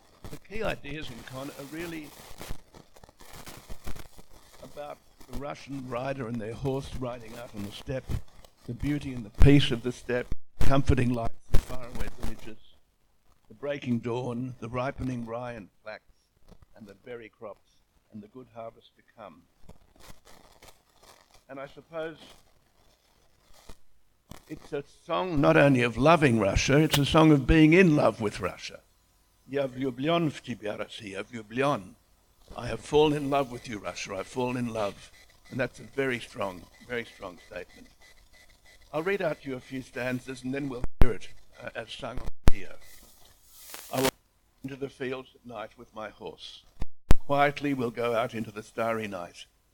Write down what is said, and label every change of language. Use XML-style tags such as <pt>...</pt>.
<en>The key ideas in Kon are really about the Russian rider and their horse riding out on the steppe, the beauty and the peace of the steppe, comforting lights in faraway villages, the breaking dawn, the ripening rye and flax, and the berry crops, and the good harvest to come. And I suppose it's a song not only of loving Russia, it's a song of being in love with Russia.</en> <ru>Я влюблён в тебя, Россия, влюблён.</ru> <en>I have fallen in love with you, Russia. I've fallen in love. And that's a very strong statement. I'll read out to you a few stanzas and then we'll hear it as sung on the radio. I will go into the fields at night with my horse. Quietly we'll go out into the starry night.</en>